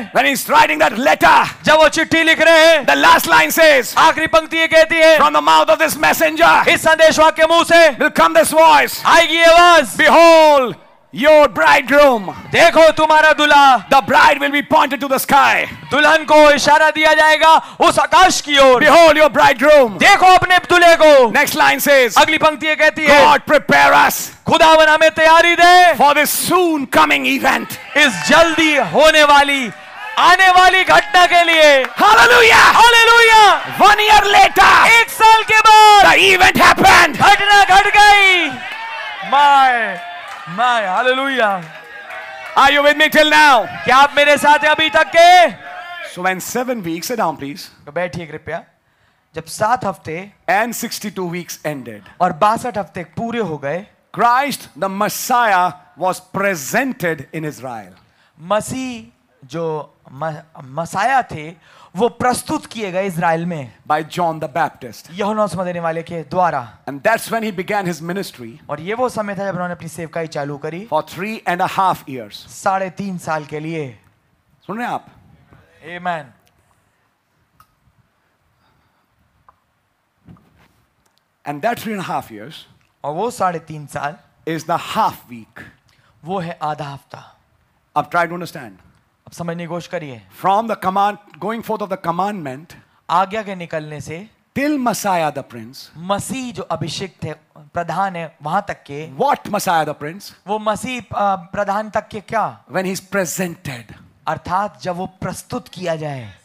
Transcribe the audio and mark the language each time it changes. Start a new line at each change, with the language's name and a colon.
English: When he's writing that letter.
Hindi: जब वो चिट्ठी लिख रहे हैं.
English: The last line says.
Hindi: आखिरी पंक्ति ये कहती है.
English: From the mouth of this messenger.
Hindi: इस संदेशवाहक के मुंह से.
English: Will come this voice.
Hindi: आएगी ये आवाज.
English: Behold. Your bridegroom.
Hindi: देखो तुम्हारा दूल्हा.
English: The bride will be pointed to the sky.
Hindi: दुल्हन को इशारा दिया जाएगा उस आकाश की ओर.
English: Behold your bridegroom.
Hindi: देखो अपने दूल्हे को.
English: Next line says.
Hindi: अगली पंक्ति ये कहती है.
English: God prepare us.
Hindi: खुदावन हमें तैयारी दे.
English: For this soon coming event.
Hindi: इस जल्दी होने वाली आने वाली घटना के लिए. Hallelujah. Hallelujah.
English: One year later.
Hindi: एक साल के बाद.
English: The event happened.
Hindi: घटना घट गई.
English: My. My
Hindi: hallelujah.
English: Are you with me till now?
Hindi: क्या आप मेरे साथ हैं अभी तक के?
English: So when 7 weeks, sit down please.
Hindi: बैठिए कृपया. जब 7 हफ्ते
English: and 62 weeks ended.
Hindi: और 62 हफ्ते पूरे हो गए.
English: Christ the Messiah was presented in Israel.
Hindi: मसी जो मसाया थे वो प्रस्तुत किए गए इज़राइल में.
English: By John the Baptist.
Hindi: यूहन्ना उत्पात देने वाले के द्वारा.
English: And that's when he began his ministry.
Hindi: और ये वो समय था जब उन्होंने अपनी सेवकाई चालू करी.
English: For 3.5 years.
Hindi: 3.5 साल के लिए. सुन रहे हैं आप? Amen.
English: And that 3.5 years.
Hindi: और वो 3.5 साल.
English: Is the half week.
Hindi: वो है आधा हफ्ता.
English: अब try to understand.
Hindi: समझने कोशिश करिए.
English: From the command, going forth of the commandment,
Hindi: आज्ञा के निकलने से,
English: till Messiah the Prince,
Hindi: मसीह जो अभिषिक्त है, प्रधान है, वहाँ तक के,
English: what Messiah the Prince,
Hindi: वो मसीह प्रधान तक के क्या?
English: When he's presented,
Hindi: अर्थात जब वो प्रस्तुत किया जाए,